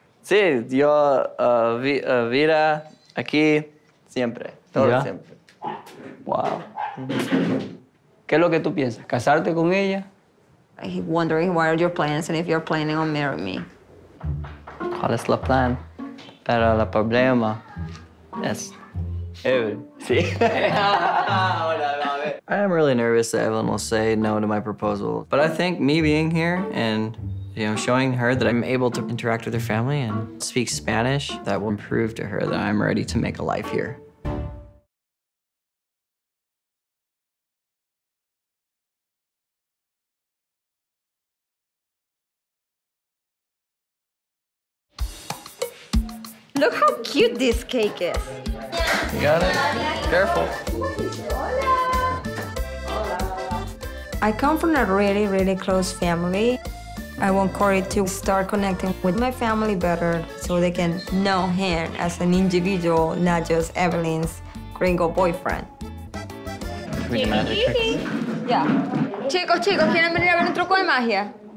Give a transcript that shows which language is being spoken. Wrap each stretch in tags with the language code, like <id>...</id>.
<es>Sí, yo vivo aquí siempre, todo el tiempo. Wow. ¿Qué es lo que tú piensas? ¿Casarte con ella?</es> <en>I'm wondering what are your plans and if you're planning on marrying me.</en> <es>¿Cuál es la plan? Pero el problema es... Evelyn. Sí.</es> <en>Hola, I am really nervous that Evelyn will say no to my proposal, but I think me being here and, you know, showing her that I'm able to interact with her family and speak Spanish, that will prove to her that I'm ready to make a life here. Look how cute this cake is. You got it. Careful. I come from a really, really close family. I want Cory to start connecting with my family better so they can know him as an individual, not just Evelyn's gringo boyfriend. Can we do magic tricks? Yeah.</en> <es>Chicos, chicos, ¿quieren venir a ver un truco de magia?</es>